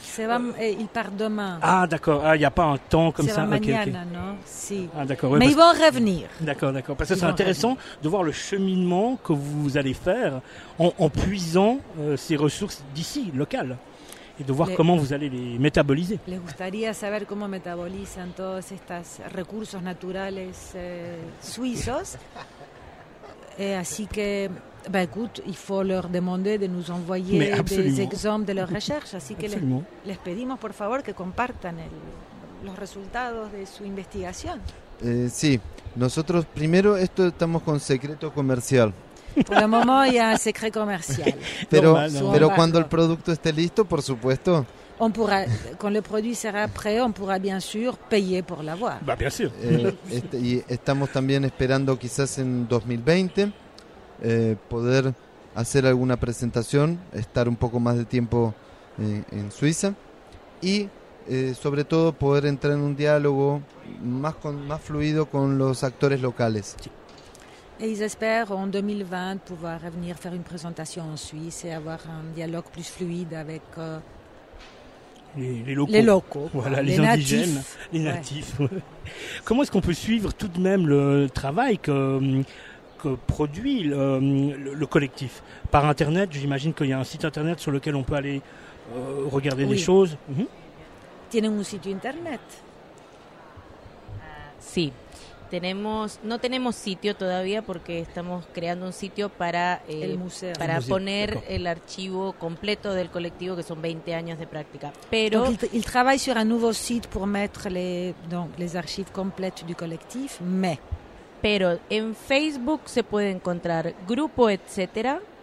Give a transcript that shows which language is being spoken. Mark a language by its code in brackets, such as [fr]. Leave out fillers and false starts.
[fr] Il part demain. Ah, d'accord, il n'y a pas un temps comme c'est ça. C'est okay. Non, si. Ah, d'accord. Ouais, mais ils vont revenir. D'accord. Parce que ce serait intéressant de voir le cheminement que vous allez faire en puisant ces ressources d'ici, locales. Et de voir comment vous allez les métaboliser. [es] Les gustaría saber cómo metabolizan todos estos recursos naturales suizos. [fr] Et ainsi que, bah écoute, il faut leur demander de nous envoyer des exemples de leurs recherches. [es] Así que les pedimos, por favor, que compartan los resultados de su investigación. Sí, nosotros primero esto estamos con secreto comercial. [fr] Pour le moment, il y a un secret commercial. [es] Pero cuando el producto esté listo, por supuesto. [fr] On pourra, quand le produit sera prêt, on pourra bien sûr payer pour l'avoir. Bah, bien sûr. [es] Y estamos también esperando quizás en 2020 poder hacer alguna presentación, estar un poco más de tiempo en Suiza y sobre todo poder entrar en un diálogo más fluido con los actores locales. Sí. [fr] Et ils espèrent en 2020 pouvoir venir faire une présentation en Suisse et avoir un dialogue plus fluide avec les locaux. Voilà, les indigènes, natifs. Les natifs. Ouais. Comment est-ce qu'on peut suivre tout de même le travail que produit le collectif ? Par Internet, j'imagine qu'il y a un site Internet sur lequel on peut aller regarder des choses. Oui. [es] Mmh. Tienen un site Internet ? Si. No tenemos sitio todavía porque estamos creando un sitio para el museo. Para el museo. Poner [fr] D'accord. [es] el archivo completo del colectivo, que son 20 años de práctica. Pero [fr] il travaille sur un nouveau site pour mettre les archives complètes du collectif, mais [es] pero en Facebook se puede encontrar Grupo Etcétera,